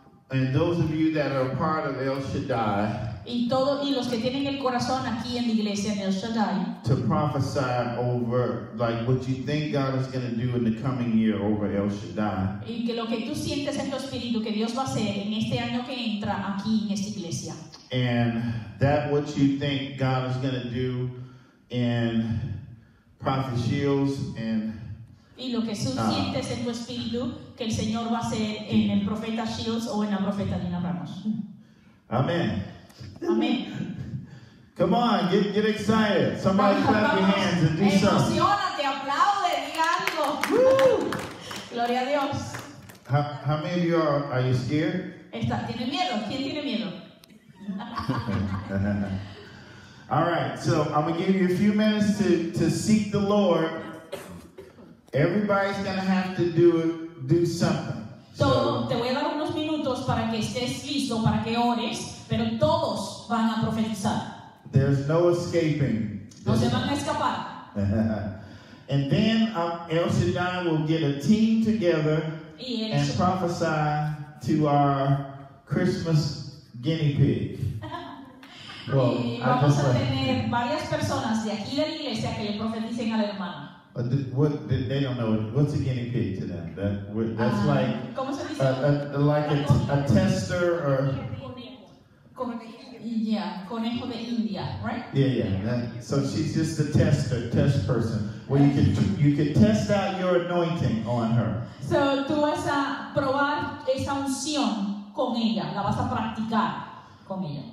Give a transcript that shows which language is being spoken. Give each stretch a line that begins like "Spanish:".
English: And those of you that are part of El Shaddai.
Spanish: Y los que tienen el corazón aquí en la iglesia en El Shaddai.
English: To prophesy over like what you think God is going to do in the coming year over El Shaddai.
Spanish: Y que lo que tú sientes en tu espíritu que Dios va a hacer en este año que entra aquí en esta iglesia.
English: And that what you think God is going to do in Prophet Shields and.
Spanish: Y lo que tú sientes en tu espíritu que el Señor va a hacer en el profeta Shields o en la profeta Dina Ramos. Amén. Amén.
English: Come on, get excited. Somebody clap your hands and do something.
Spanish: Emocionate, aplaude, diga algo. Gloria a Dios.
English: How many of you are you scared?
Spanish: ¿Tiene miedo? ¿Quién tiene miedo?
English: All right, so I'm going to give you a few minutes to seek the Lord. Everybody's going to have to do something.
Spanish: Todo, te voy a dar unos minutos para que estés listo, para que ores, pero todos van a profetizar.
English: There's no escaping.
Spanish: No se van a escapar.
English: And then El Shaddai will get a team together and prophesy to our Christmas guinea pig.
Spanish: Well, y vamos a tener varias personas de aquí de la iglesia que le profeticen al hermano.
English: What they don't know, what's a guinea pig to them? That's like
Spanish: ¿cómo se dice?
English: A tester or
Spanish: conejo de India, right?
English: Yeah, yeah. So she's just a tester, test person. Well, you can test out your anointing on her.
Spanish: So tú vas a probar esa unción con ella, la vas a practicar con ella.